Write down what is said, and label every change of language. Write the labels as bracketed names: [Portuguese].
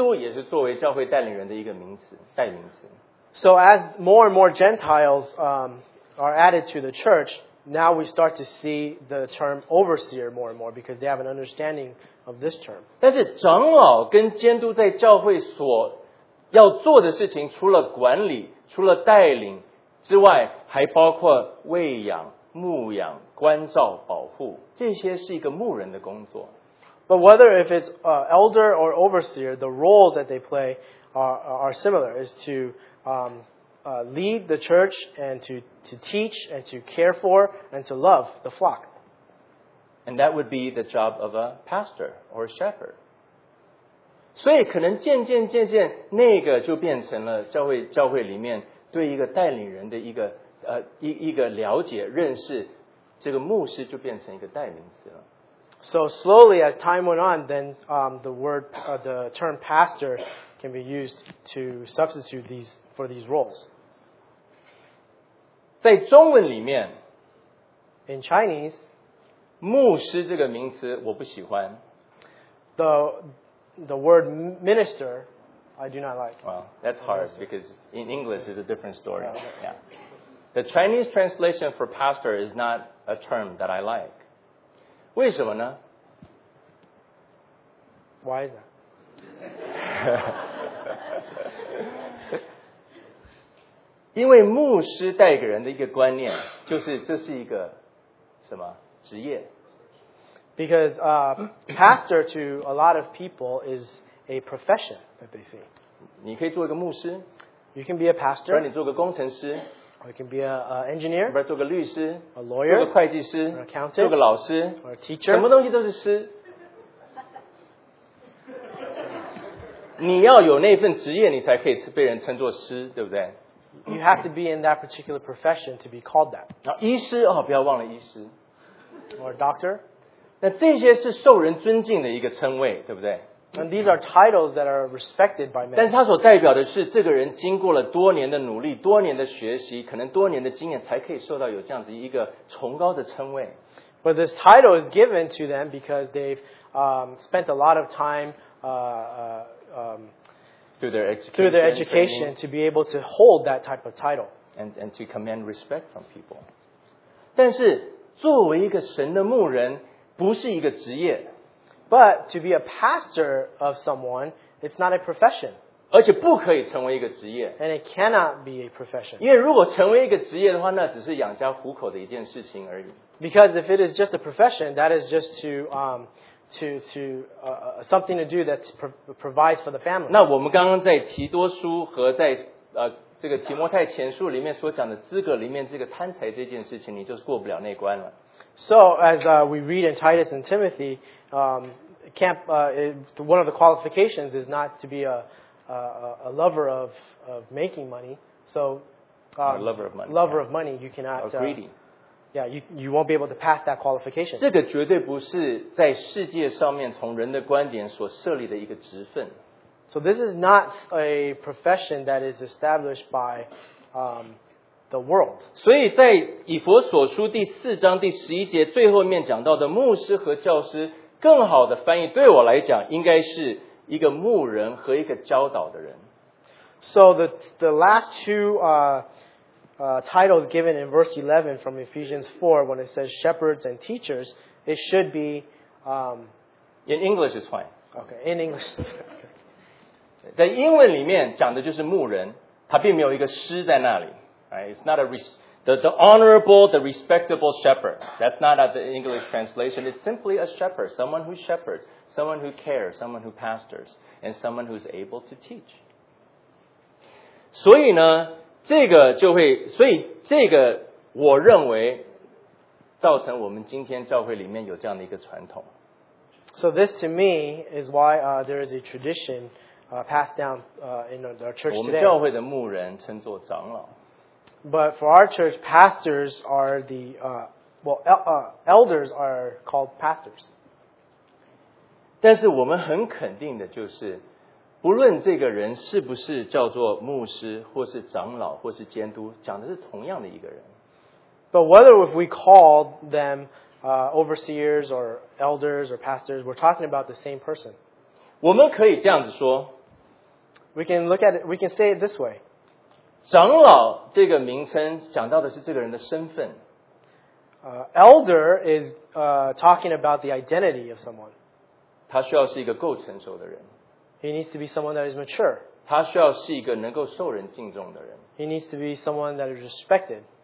[Chinese] 渐渐渐渐的，当外邦人加入了教会，当他们对监督这个名词有概念的时候，监督也是作为教会带领人的一个名词，代名词。 [English] So as more and more Gentiles are added to the church, now we start to see the term overseer more and more because they have an understanding of this term. [Chinese] 但是长老跟监督在教会所要做的事情，除了管理、除了带领之外，还包括喂养、牧养、关照、保护，这些是一个牧人的工作。 [English] But whether if it's elder or overseer, the roles that they play are similar, is to lead the church and to teach and to care for and to love the flock. And that would be the job of a pastor or a shepherd. [Chinese] 所以可能渐渐，那个就变成了教会里面对一个带领人的一个一个了解认识，这个牧师就变成一个代名词了。 [English] So slowly, as time went on, then the term pastor can be used to substitute these roles. [Chinese] 在中文里面 [English] ，in Chinese, [Chinese] 牧师这个名词我不喜欢。 [English] The word minister, I do not like. Well, that's hard because in English it's a different story. Yeah. The Chinese translation for pastor is not a term that I like. [Chinese] 为什么呢？ [English] Why is that? [Chinese] 因为牧师带给人的一个观念就是这是一个什么职业。 [English] Because pastor to a lot of people is a profession that they see. [Chinese] 你可以做一个牧师。 [English] You can be a pastor. [Chinese] 不然你做个工程师。 [English] Or you can be an engineer. [Chinese] 不然做个律师。 [English] A lawyer. [Chinese] 做个会计师。 [English] An accountant. [Chinese] 做个老师。 [English] Or a teacher. [Chinese] 什么东西都是师。你要有那份职业，你才可以被人称作师，对不对？ [English] You have to be in that particular profession to be called that. [Chinese] 然后医师，哦，不要忘了医师。 [English] Or a doctor. [Chinese] 那这些是受人尊敬的一个称谓，对不对？ [English] And these are titles that are respected by men. [Chinese] 但是它所代表的是这个人经过了多年的努力，多年的学习，可能多年的经验，才可以受到有这样子一个崇高的称谓。 [English] But this title is given to them because they've spent a lot of time through their education to be able to hold that type of title. And to command respect from people. [Chinese] 但是作为一个神的牧人不是一个职业。 [English] But to be a pastor of someone, it's not a profession. [Chinese] 而且不可以成为一个职业。 [English] And it cannot be a profession. [Chinese] 因为如果成为一个职业的话，那只是养家糊口的一件事情而已。 [English] Because if it is just a profession, that is just something to do that provides for the family. [Chinese] 那我们刚刚在提多书和在这个提摩太前书里面所讲的资格里面这个贪财这件事情，你就是过不了那关了。 [English] So as we read in Titus and Timothy, one of the qualifications is not to be a lover of making money. So lover of money, you cannot greedy. Yeah, you won't be able to pass that qualification. [Chinese] 这个绝对不是在世界上面从人的观点所设立的一个职分。 [English] So this is not a profession that is established by the world. [Chinese] 所以在以弗所书第四章第十一节最后面讲到的牧师和教师，更好的翻译对我来讲应该是一个牧人和一个教导的人。 [English] So the last two titles given in verse 11 from Ephesians 4, when it says shepherds and teachers, it should be in English is fine. Okay, in English. [Chinese] 在英文里面讲的就是牧人，他并没有一个师在那里。 [English] Right, it's not the honorable, the respectable shepherd. That's not the English translation. It's simply a shepherd, someone who shepherds, someone who cares, someone who pastors, and someone who's able to teach. [Chinese] 所以呢，这个就会，所以这个我认为造成我们今天教会里面有这样的一个传统。 [English] So this to me is why there is a tradition passed down in our church today. [Chinese] 我们教会的牧人称作长老。 [English] But for our church, pastors are the, elders are called pastors. [Chinese] 但是我们很肯定的就是，不论这个人是不是叫做牧师，或是长老，或是监督，讲的是同样的一个人。 [English] But whether if we call them overseers or elders or pastors, we're talking about the same person. [Chinese] 我们可以这样子说。 [English] We can say it this way. [Chinese] 长老这个名称讲到的是这个人的身份。 [English] Elder is talking about the identity of someone. [Chinese] 他需要是一个够成熟的人。 [English] He needs to be someone that is mature. [Chinese] 他需要是一个能够受人敬重的人。 [English] He needs to be someone that is respected.